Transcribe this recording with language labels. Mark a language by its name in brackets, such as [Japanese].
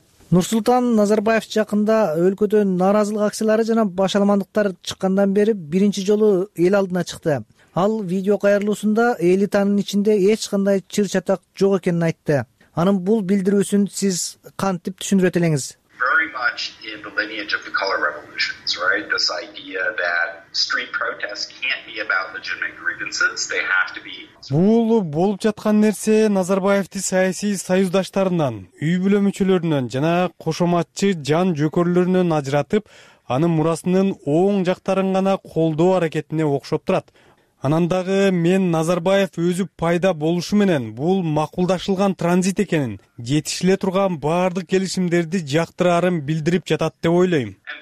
[Kyrgyz] Нурсултан Назарбаев жакында өлкөдө нааразылык акциялары жана башаламандыктар чыккандан бери биринчи жолу эл алдына чыкты. Ал видео кайрылуусунда элитанын ичинде эч кандай чыр чатак жок экенин айтты. Анын бул билдирүүсүн сиз кантип түшүндүрөт элеңиз? [English] Very much in the lineage of the color revolutions, right? This idea that street protests can't be about legitimate grievances, they have to be. [Kyrgyz] Бул болуп жаткан нерсе Назарбаевди саясий союздаштарынан, үй бүлө мүчөлөрүнөн жана кошоматчы жан жөкөрлөрүнөн ажыратып, анын мурасынын оң жактарын гана колдоо аракетине окшоп турат. Анан дагы мен Назарбаев өзү пайда болушу менен бул макулдашылган транзит экенин, жетишиле турган бардык келишимдерди жактырарын билдирип жатат деп ойлойм.